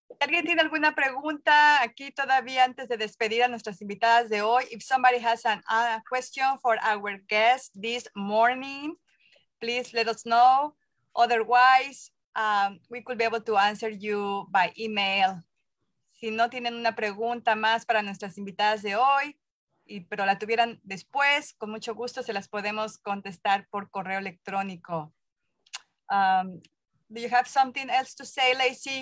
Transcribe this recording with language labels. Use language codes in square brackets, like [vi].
[es] ¿Alguien tiene alguna pregunta aquí todavía antes de despedir a nuestras invitadas de hoy? [en] If somebody has a question for our guest this morning, please let us know. Otherwise, we could be able to answer you by email. [es] Si no tienen una pregunta más para nuestras invitadas de hoy, pero la tuvieran después, con mucho gusto se las podemos contestar por correo electrónico. [en] Do you have something else to say, Lacey?